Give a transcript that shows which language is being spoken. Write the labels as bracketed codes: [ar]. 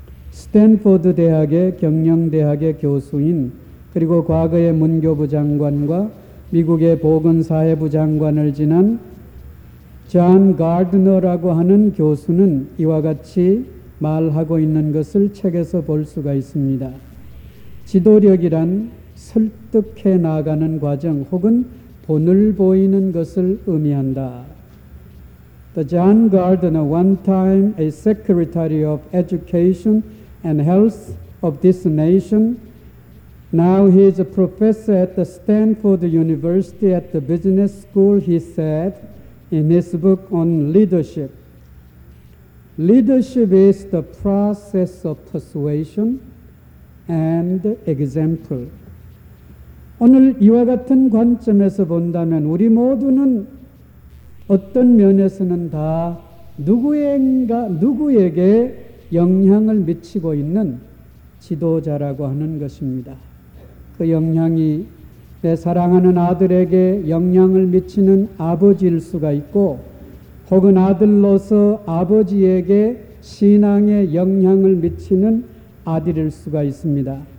[ko] 스탠포드 대학의 경영대학의 교수인, 그리고 과거의 문교부 장관과 미국의 보건사회부 장관을 지낸 존 가드너라고 하는 교수는 이와 같이 말하고 있는 것을 책에서 볼 수가 있습니다. 지도력이란 설득해 나가는 과정 혹은 본을 보이는 것을 의미한다. [en] The John Gardner, one time a Secretary of Education and Health of this nation, now he is a professor at the Stanford University at the Business School, he said in his book on leadership, "Leadership is the process of persuasion and example." [ko] 오늘 이와 같은 관점에서 본다면 우리 모두는 어떤 면에서는 다 누구에게 영향을 미치고 있는 지도자라고 하는 것입니다. 그 영향이 내 사랑하는 아들에게 영향을 미치는 아버지일 수가 있고, 혹은 아들로서 아버지에게 신앙의 영향을 미치는 아들일 수가 있습니다.